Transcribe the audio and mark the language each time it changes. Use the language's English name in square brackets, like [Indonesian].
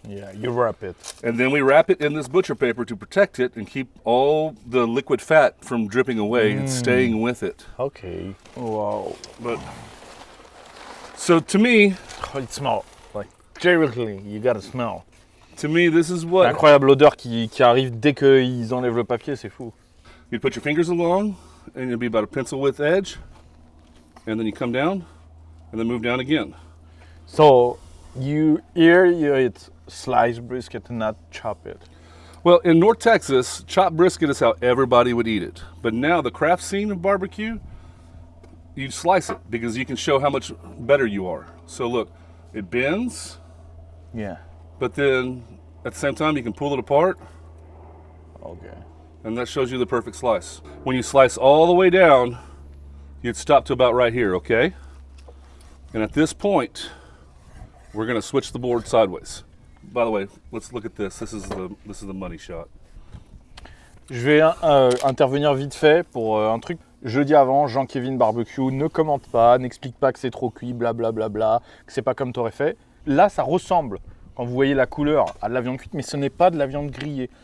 [English] Yeah, you wrap it. And then we wrap it in this butcher paper to protect it and keep all the liquid fat from dripping away and staying with it. Okay. Wow. But, so to me... Oh, it smells like, directly, you gotta smell. To me, this is what... [French] L'incroyable odeur qui arrive dès qu'ils enlèvent le papier, c'est fou. [English] You put your fingers along, and it'll be about a pencil width edge. And then you come down, and then move down again. So... You eat sliced brisket and not chop it. Well, in North Texas, chopped brisket is how everybody would eat it. But now the craft scene of barbecue, you slice it because you can show how much better you are. So look, it bends. Yeah. But then at the same time, you can pull it apart. Okay. And that shows you the perfect slice. When you slice all the way down, you'd stop to about right here, okay? And at this point, we're gonna switch the board sideways. By the way, let's look at this. This is the money shot. [French] Je vais intervenir vite fait pour un truc. Jeudi avant, Jean-Kevin Barbecue, ne commente pas, n'explique pas que c'est trop cuit, blablabla, que c'est pas comme t'aurais fait. Là, ça ressemble, quand vous voyez la couleur, à de la viande cuite, mais ce n'est pas de la viande grillée.